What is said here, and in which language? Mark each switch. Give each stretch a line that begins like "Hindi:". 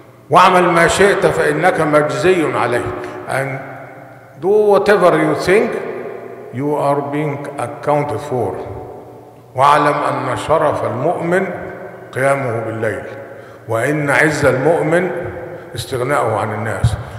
Arabic: وعمل ما شئت فإنك مجزي عليه.
English: And do whatever you think you are being accounted for.
Arabic: وعلم أن شرف المؤمن قيامه بالليل وإن عز المؤمن استغناؤه عن الناس.